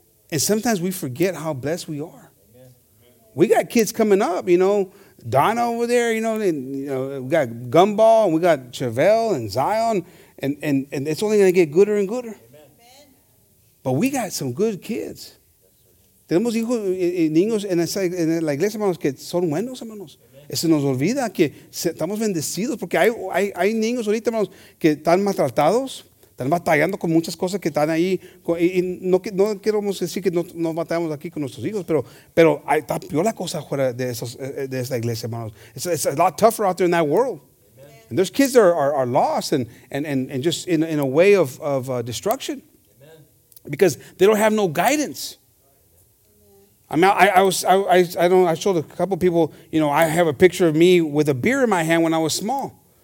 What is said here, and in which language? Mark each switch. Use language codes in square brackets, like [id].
[en] And sometimes we forget how blessed we are. Amen. We got kids coming up, you know. Donna over there, you know. And, you know, we got Gumball, and we got Chevelle and Zion. And it's only going to get gooder and gooder. Amen. But we got some good kids. [es] Tenemos hijos y niños en la iglesia, hermanos, que son buenos, hermanos. Se nos olvida que estamos bendecidos porque hay niños ahorita, hermanos, que están maltratados, están batallando con muchas cosas que están ahí. Y no queremos decir que no batallamos aquí con nuestros hijos, pero está peor la cosa fuera de esa iglesia, hermanos. [en] It's a lot tougher out there in that world. Amen. And there's kids that are lost and just in a way of destruction. Amen. Because they don't have no guidance. I mean, I showed a couple of people, you know, I have a picture of me with a beer in my hand when I was small.